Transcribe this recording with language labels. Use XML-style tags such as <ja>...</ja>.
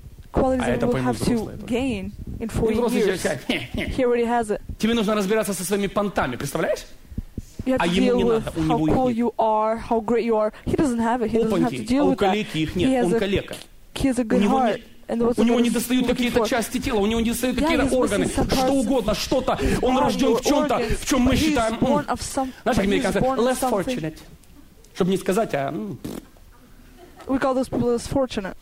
<en>Qualities that we have to gain in 40 years. He already has it.</en> <ru>Тебе нужно разбираться со своими понтами, представляешь? А ему не надо, у него их нет.</ru> <en>How cool you are, how great you are. He doesn't have it. He doesn't have to deal with that.</en> <ru>У калеки их нет, он калека.</ru> <en>He has a good heart.</en> <ru>У него не достают какие-то части тела, у него не достают какие-то органы, что угодно, что-то. Он рожден в чем-то, в чем мы считаем. Знаешь, как американцы говорят,</ru> <en>less fortunate.</en> <ru>Чтобы не сказать, а...</ru> <en>We call those people less fortunate.</en>